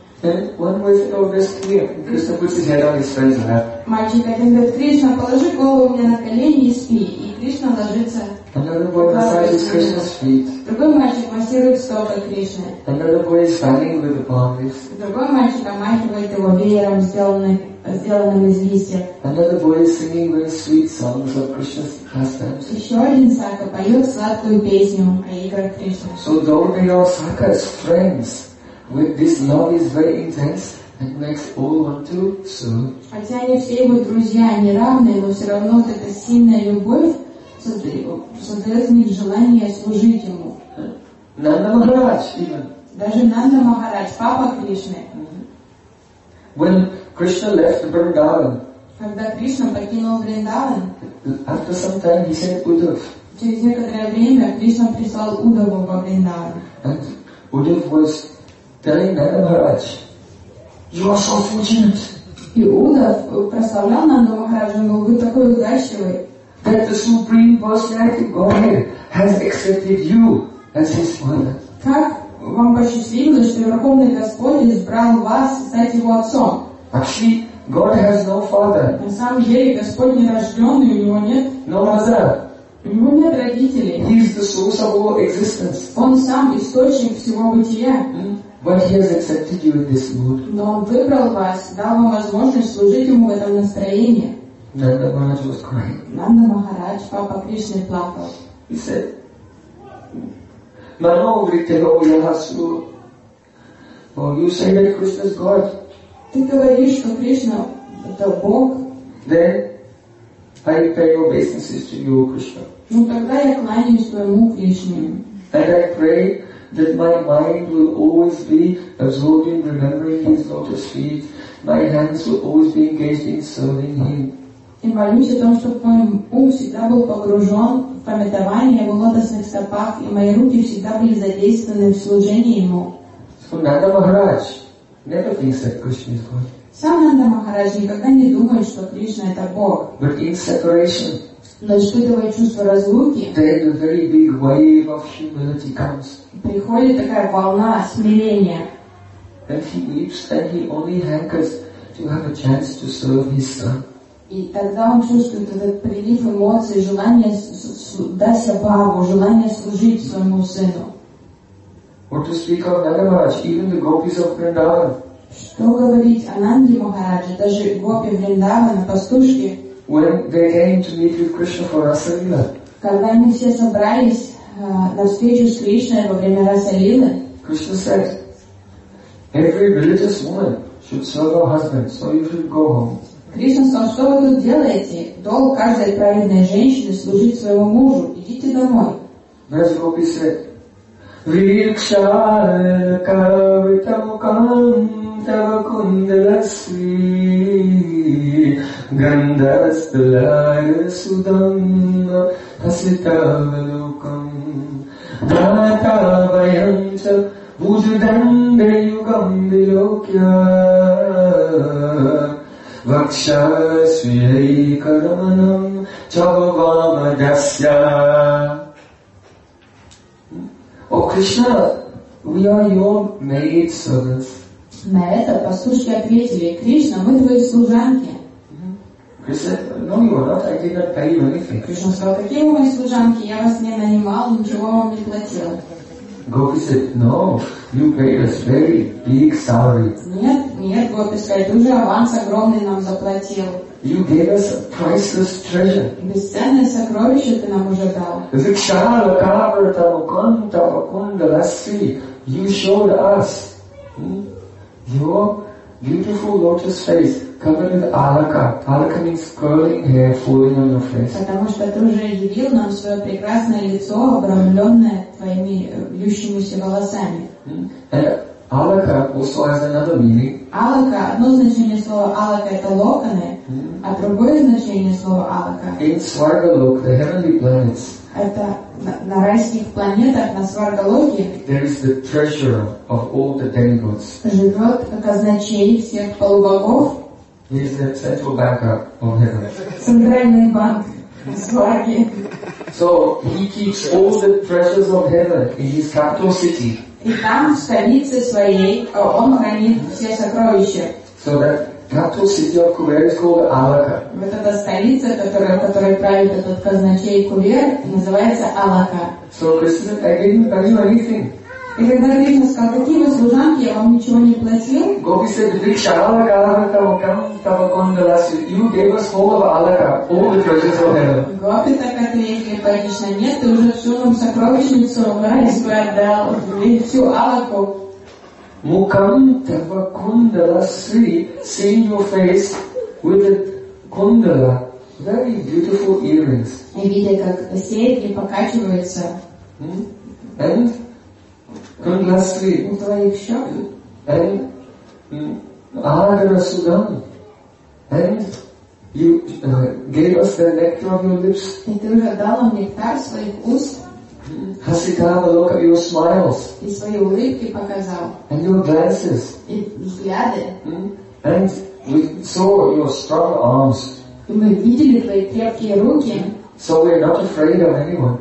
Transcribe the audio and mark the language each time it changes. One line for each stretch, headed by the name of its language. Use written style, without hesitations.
English: And one way to know this clear, Krishna puts his head on his friend's lap.
Russian: Мальчик один говорит, Кришна, положи голову мне на колени и спи. И Кришна ложится.
English: Another boy massages Krishna's feet.
Russian: Другой мальчик массирует стопы Кришны.
English: Another boy is fanning with the palm leaves.
Russian: Другой мальчик омахивает его веером, сделанным из листьев.
English: Another boy is singing very sweet songs of Krishna's pastimes.
Russian: Еще один сака поет сладкую песню о играх Кришны.
English: So though they are sakas, friends, with this love is very intense and makes all want to soon.
Russian: Хотя они все его друзья, они равные, но все равно вот эта сильная любовь создает в них желание служить ему.
English: Нанда Махарадж, even.
Russian: Даже Нанда Махарадж, папа Кришны.
English: When Krishna left Vrindavan,
Russian: когда Кришна покинул Вриндаван,
English: after some time he sent Uddhav.
Russian: Через некоторое время Кришна прислал Уддхава во Вриндаван.
English: And Uddhav was telling Nanda Maharaj, you are so fortunate.
Russian: И Уддхав прославлял Нанда Махараджа, говорил, вы такой удачливый.
English: That the Supreme Personality Godhead has accepted you as his father.
Russian: Как вам посчастливилось, что Верховный Господь избрал вас стать его отцом?
English: Actually, God has no father.
Russian: На самом деле, Господь не рожденный, у него нет.
English: No mother.
Russian: У него нет родителей.
English: He is the source of all existence.
Russian: Он сам источник всего бытия.
English: But he has accepted you in this mood.
Russian: Но он выбрал вас, дал вам возможность служить ему в этом настроении.
English: Nanda Maharaj was crying.
Russian: Nanda Maharaj, Papa Krishna, plakal.
English: He said,
Sanskrit: Mano vritero yahasu.
English: Oh, you say that Krishna is God.
Russian: Ты говоришь, что Кришна это Бог.
English: Then I pay obeisances to you, Krishna.
Russian: Ну тогда я кланяюсь твоему Кришне.
English: And I pray that my mind will always be absorbed in remembering his lotus feet. My hands will always be engaged in serving him.
Russian: И молюсь о том, чтобы мой ум всегда был погружен в памятование его лотосных стопах, и мои руки всегда были задействованы в служении ему.
English: Нанда Махарадж never thinks that Krishna is God.
Russian: Сам Нанда Махарадж никогда не думает, что Кришна это Бог.
English: But in separation,
Russian: но испытывая чувство разлуки,
English: then a very big wave of humility comes.
Russian: Приходит такая волна смирения.
English: And he weeps and he only hankers to have a chance to serve his son.
Russian: И тогда он чувствует этот прилив эмоций, желание дать сабаву, желание служить своему сыну.
English: What to speak of Nanda Maharaj, even the gopis of Vrindavan.
Russian: Что говорить о Нанде Махарадже, даже гопи Вриндавана, пастушки.
English: When they came to meet with Krishna for Rasalila.
Russian: Когда они все собрались на встречу с Кришной во время Расалилы.
English: Krishna said, every religious woman should serve her husband, so you should go home.
Russian: Кришна сказал, что вы тут делаете? Долг каждой праведной женщины служить своему мужу. Идите домой.
Sanskrit: Гопи said, Викшалакавитамукантавакундаласви Гандарастлайасудамна Паситавалукам Датавайанча Буджудандаюгамдилокья Vaksha Sri Karamanam Chavamadasya.
English: Oh Krishna, we are your maid servants.
Russian: На это пастушки ответили: Кришна, мы твои служанки. Кришна сказал: какие вы мои служанки? Я вас не нанимал, ничего вам не платил.
English: Gopi said, no, you paid us very big salary.
Russian: Нет, нет, Гопи сказал, уже аванс огромный нам заплатил.
English: You gave us a priceless treasure.
Russian: Бесценное сокровище ты нам уже дал.
Sanskrit: Викшала, кавра, тавакунта, вакунда, ласи,
English: you showed us your beautiful lotus face covered with alaka. Alaka means curling hair falling on your face.
Russian: Потому что ты уже явил нам свое прекрасное лицо, обрамленное твоими вьющимися волосами.
English: Alaka also has another meaning.
Russian: Alaka, одно значение слова alaka — это локоны, а другое значение слова alaka —
English: in Swargalok, the heavenly planets.
Russian: Это на райских планетах, на Сваргалоке.
English: There is the treasure of all the demigods.
Russian: Живет казначей всех полубогов.
English: He is the central banker of heaven.
Russian: Центральный банк Сварги.
English: So he keeps all the treasures of heaven in his capital city.
Russian: И там, в столице своей, он хранит все сокровища.
English: So that capital city of Kuver is called Alaka.
Russian: Вот эта столица, которая правит этот казначей Кувер, называется Алака.
English: So Krishna again, I gave you anything.
Russian: И когда Кришна сказал: какие вы служанки, я вам ничего не платил.
English: Gopi said,
Sanskrit: Viksha Alaka, Alaka, Vakam, Tavakondalasi,
English: you gave us all of Alaka, all the treasures of heaven.
Russian: Gopi так ответили: конечно, нет, ты уже всю нам сокровищницу в рай свой отдал, и всю Алаку.
Sanskrit: Mukam tava kundala sri,
English: seeing your face with a kundala, very beautiful earrings.
Russian: И видя, как серьги покачиваются.
English: And kundala sri.
Russian: У твоих щек.
English: And alagana sudam. And you gave us the nectar of your lips.
Russian: И ты уже дал нам нектар своих уст.
English: Hasikava look at your smiles.
Russian: И свои улыбки показал.
English: And your glances.
Russian: И взгляды.
English: And we saw your strong arms.
Russian: И мы видели твои крепкие руки.
English: So we are not afraid of anyone.